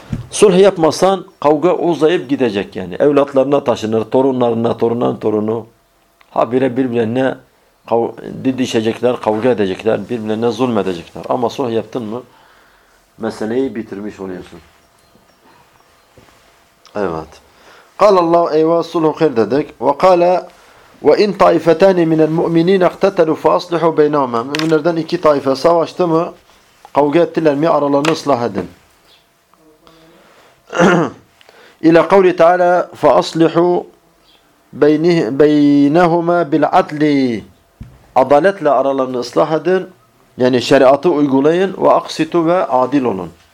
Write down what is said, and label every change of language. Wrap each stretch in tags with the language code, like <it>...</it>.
<tr>Sulh yapmasan kavga uzayıp gidecek yani. Evlatlarına taşınır, torunlarına, torunların torunu. Habire birbirlerine didişecekler, kavga edecekler, birbirlerine zulmedecekler. Ama sulh yaptın mı meseleyi bitirmiş oluyorsun. Evet.</tr> <ar>قال الله ايوه الصلح خير dedik. وقال وان طائفتان من المؤمنين اقتتلوا فاصلحوا بينهما.</ar> <tr>Müminlerden iki taife savaştı mı, kavga ettiler mi, aralarını ıslah edin.</tr> <ar>İlâ kavli teâlâ fe aslihû beynehumâ bil adli.</ar> <tr>Adaletle aralarını ıslah edin. Yani şeriatı uygulayın ve aksitu ve adil olun.</tr>